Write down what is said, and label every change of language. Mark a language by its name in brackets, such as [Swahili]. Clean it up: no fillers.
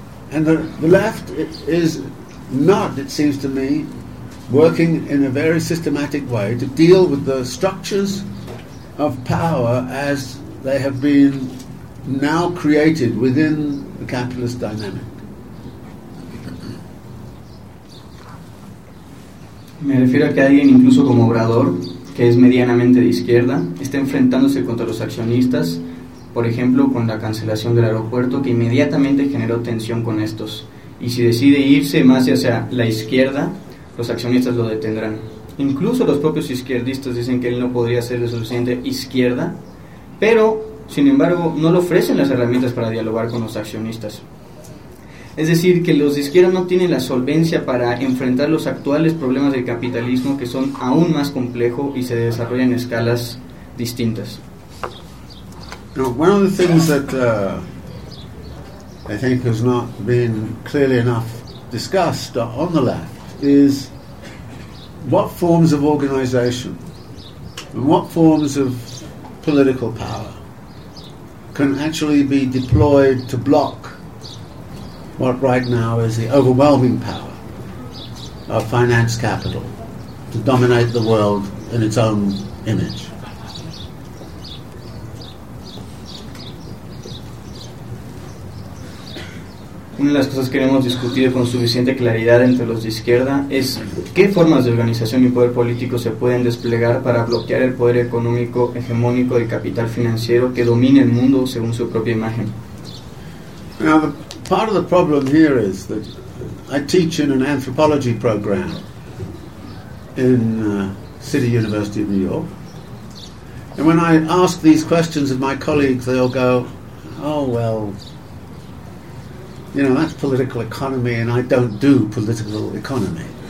[English] And the left is not, it seems to me, working in a very systematic way to deal with the structures of power as they have been now created within the capitalist dynamic. [Spanish] Me refiero a que alguien, incluso como Obrador, que es medianamente de izquierda, está enfrentándose contra los accionistas, por ejemplo, con la cancelación del aeropuerto, que inmediatamente generó tensión con estos. Y si decide irse más hacia la izquierda, los accionistas lo detendrán. Incluso los propios izquierdistas dicen que él no podría ser de suficiente izquierda, pero, sin embargo, no le ofrecen las herramientas para dialogar con los accionistas. Es decir, que los de izquierda no tienen la solvencia para enfrentar los actuales problemas del capitalismo, que son aún más complejos y se desarrollan en escalas distintas. [English] Now, one of the things that I think has not been clearly enough discussed on the left is what forms of organization and what forms of political power can actually be deployed to block what right now is the overwhelming power of finance capital to dominate the world in its own image. [Spanish] Una de las cosas que hemos discutido con suficiente claridad entre los de izquierda es qué formas de organización y poder político se pueden desplegar para bloquear el poder económico hegemónico del capital financiero que domina el mundo según su propia imagen. [English] Now, part of the problem here is that I teach in an anthropology program in City University of New York. And when I ask these questions of my colleagues, they'll go, oh, well, you know, that's political economy, and I don't do political economy.